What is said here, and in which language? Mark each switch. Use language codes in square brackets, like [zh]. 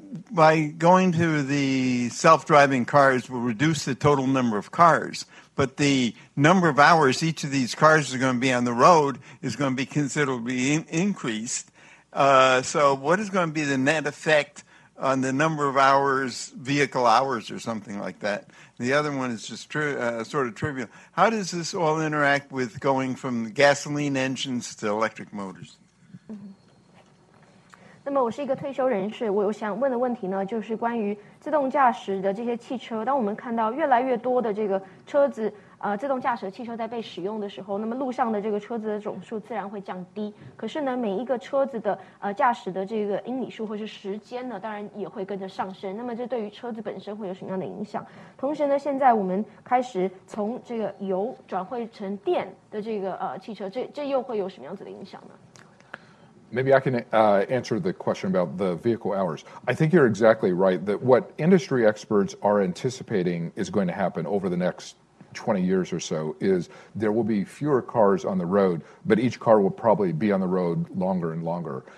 [en] By going to the self-driving cars will reduce the total number of cars, but the number of hours each of these cars is going to be on the road is going to be considerably increased. So what is going to be the net effect on the number of hours, vehicle hours or something like that? The other one is just sort of trivial. How does this all interact with going from gasoline engines to electric motors? Mm-hmm. [zh] 那么我是一个退休人士，我想问的问题呢，就是关于自动驾驶的这些汽车。当我们看到越来越多的这个车子，自动驾驶的汽车在被使用的时候，那么路上的这个车子的总数自然会降低。可是呢，每一个车子的驾驶的这个英里数或是时间呢，当然也会跟着上升。那么这对于车子本身会有什么样的影响？同时呢，现在我们开始从这个油转换成电的这个汽车，这又会有什么样子的影响呢？ [en] Maybe I can answer the question about the vehicle hours. I think you're exactly right that what industry experts are anticipating is going to happen over the next 20 years or so is there will be fewer cars on the road, but each car will probably be on the road longer and longer.